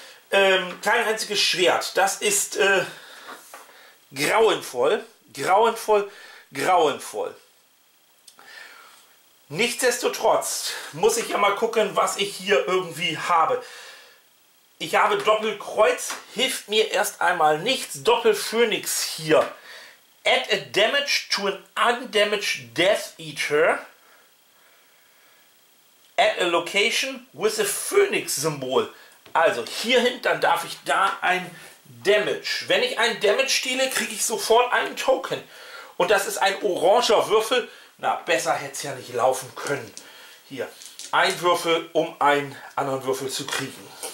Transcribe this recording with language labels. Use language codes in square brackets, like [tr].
[de] Kein einziges Schwert. Das ist grauenvoll. Grauenvoll, grauenvoll. Nichtsdestotrotz muss ich ja mal gucken, was ich hier irgendwie habe. Ich habe Doppelkreuz, hilft mir erst einmal nichts. Doppelphönix hier. [en] Add a damage to an undamaged Death Eater. Add a location with a Phönix-Symbol. [de] Also hierhin, dann darf ich da ein Damage. Wenn ich ein Damage stehle, kriege ich sofort einen Token. Und das ist ein oranger Würfel. Na, besser hätte es ja nicht laufen können. Hier, ein Würfel, um einen anderen Würfel zu kriegen.